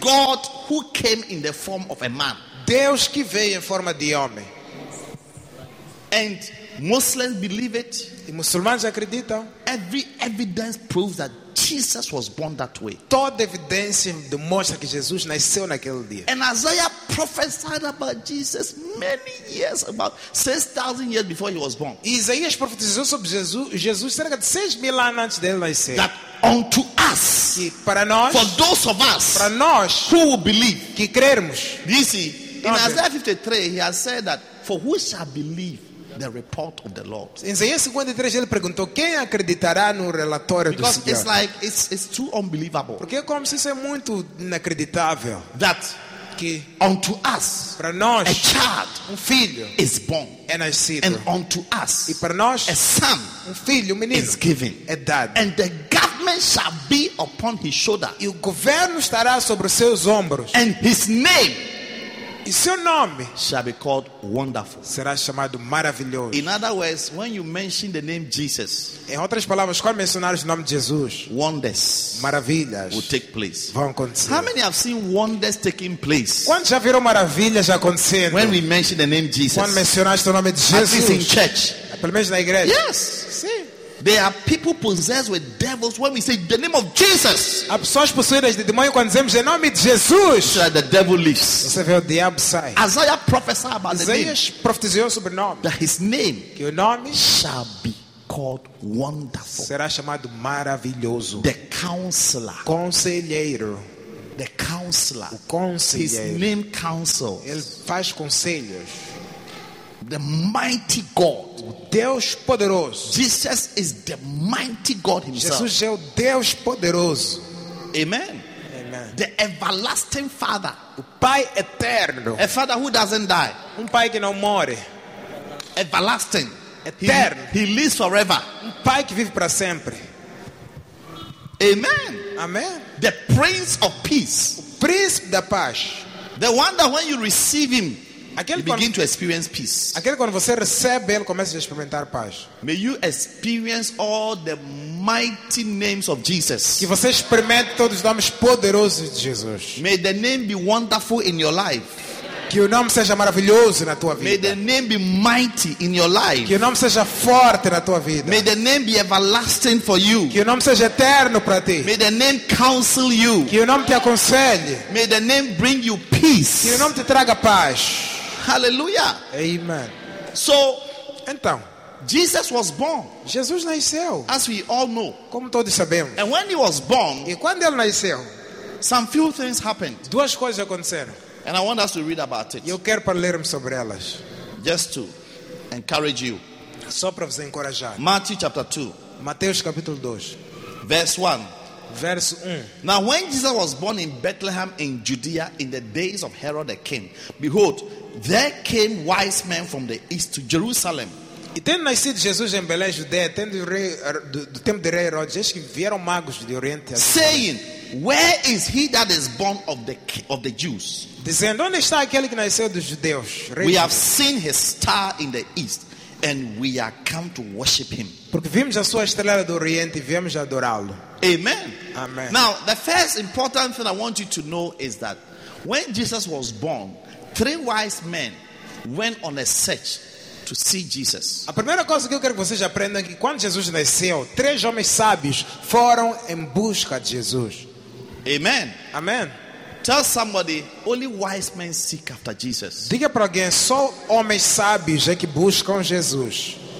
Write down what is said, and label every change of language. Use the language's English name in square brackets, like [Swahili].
[English] God who came in the form of a man. [Portuguese] Deus que veio em forma de homem. [English] And Muslims believe it. [Portuguese] E muçulmanos acreditam. [English] Every evidence proves that Jesus was born that way. [Portuguese] Toda evidência demonstra que Jesus nasceu naquele dia. [English] And Isaiah prophesied about Jesus many years, about 6,000 years before he was born. [Portuguese] E Isaías profetizou sobre Jesus cerca de 6,000 anos antes dele nascer. [English] That unto us, [Portuguese] que para nós, [English] for those of us, [Portuguese] para nós, [English] who will believe, [Portuguese] que crermos. [English] You see, in Isaiah 53, he has said that for who shall believe the report of the Lord. [Portuguese] Em Isaías 53 ele perguntou quem acreditará no relatório [English] because [Portuguese] do Senhor. [English] Because it's like it's too unbelievable. [Portuguese] Porque é como se isso é muito inacreditável. [English] That [Portuguese] que [English] unto us, [Portuguese] para nós, [English] a child, [Portuguese] um filho, [English] is born, [Portuguese] é nascido. [English] And unto us, [Portuguese] e para nós, [English] a son, [Portuguese] um filho, um menino, [English] is given, [Portuguese] é dado. [English] And the government shall be upon his shoulder. [Portuguese] E o governo estará sobre os seus ombros. [English] And his name, [Portuguese] e seu nome, [English] shall be called Wonderful. [Portuguese] Será chamado Maravilhoso. [English] In other words, when you mention the name Jesus, [Portuguese] em outras palavras, quando mencionar o nome de Jesus, [English] wonders, [Portuguese] maravilhas, [English] will take place. [Portuguese] Vão acontecer. [English] How many have seen wonders taking place? [Portuguese] Quantos já viram maravilhas acontecendo? [English] When we mention the name Jesus, [Portuguese] quando mencionaste o nome de Jesus, [English] at least in church, [Portuguese] pelo menos na igreja. [English] Yes, [Portuguese] sim. [English] There are people possessed with devils when we say the name of Jesus. [Portuguese] Há pessoas possuídas de demônio quando dizemos o nome de Jesus. [English] So the devil leaves. [Portuguese] Você vê o diabo sai. [English] Isaiah prophesied about the name. [Portuguese] Isaías profetizou sobre o nome. [English] That his name, [Portuguese] que o nome, [English] shall be called Wonderful. [Portuguese] Será chamado Maravilhoso. [English] The Counselor. [Portuguese] Conselheiro. [English] The Counselor. [Portuguese] O conselheiro. [English] His name counsels. [Portuguese] Ele faz conselhos. [English] The mighty God, [Portuguese] o Deus poderoso. [English] Jesus is the mighty God himself. [Portuguese] Jesus é o Deus poderoso. [English] Amen. [Portuguese] Amen. [English] The everlasting Father, [Portuguese] o Pai eterno. [English] A Father who doesn't die. [Portuguese] Um Pai que não morre. [English] Everlasting, [Portuguese] eterno. [English] He lives forever. [Portuguese] Um Pai que vive para sempre. [English] Amen. [Portuguese] Amen. [English] The Prince of Peace, [Portuguese] o Príncipe da Paz. [English] The one that when you receive him, [Portuguese] aquele [English] you begin quando, to experience peace. [Portuguese] Aquele quando você recebe, ele começa a experimentar paz. [English] May you experience all the mighty names of Jesus. [Portuguese] Que você experimente todos os nomes poderosos de Jesus. [English] May the name be wonderful in your life. [Portuguese] Que o nome seja maravilhoso na tua vida. [English] May the name be mighty in your life. [Portuguese] Que o nome seja forte na tua vida. [English] May the name be everlasting for you. [Portuguese] Que o nome seja eterno para ti. [English] May the name counsel you. [Portuguese] Que o nome te aconselhe. [English] May the name bring you peace. [Portuguese] Que o nome te traga paz. [English] Hallelujah. [Portuguese] Amen. [English] So, [Portuguese] então, [English] Jesus was born. [Portuguese] Jesus nasceu. [English] As we all know. [Portuguese] Como todos sabemos. [English] And when he was born, [Portuguese] e quando ele nasceu, [English] some few things happened. [Portuguese] Duas coisas aconteceram. [English] And I want us to read about it. [Portuguese] Eu quero para ler sobre elas. [English] Just to encourage you. [Portuguese] Só para vos encorajar. [English] Matthew chapter 2. [Portuguese] Mateus capítulo 2. [English] Verse 1. [Portuguese] Verse 1. [English] Now when Jesus was born in Bethlehem in Judea in the days of Herod the king, behold, there came wise men from the east to Jerusalem. [Portuguese] E tendo nascido Jesus em Belém, Judeia, tendo rei, do tempo de rei Herodes, eis que vieram magos de Oriente. [English] Saying, where is he that is born of the Jews? [Portuguese] Dizendo, onde está aquele que nasceu dos judeus? [English] Rei we have seen his star in the east, and we are come to worship him. [Portuguese] Porque vimos a sua estrela do Oriente e viemos adorá-lo. [English] Amen. [Portuguese] Amen. [English] Now, the first important thing I want you to know is that when Jesus was born, three wise men went on a search to see Jesus. [Portuguese] A primeira coisa que eu quero que vocês aprendam é que quando Jesus nasceu, três homens sábios foram em busca de Jesus. [English] Amen. [Portuguese] Amen. [English] Tell somebody, only wise men seek after Jesus. [Portuguese] Diga para alguém, só homens sábios é que buscam Jesus.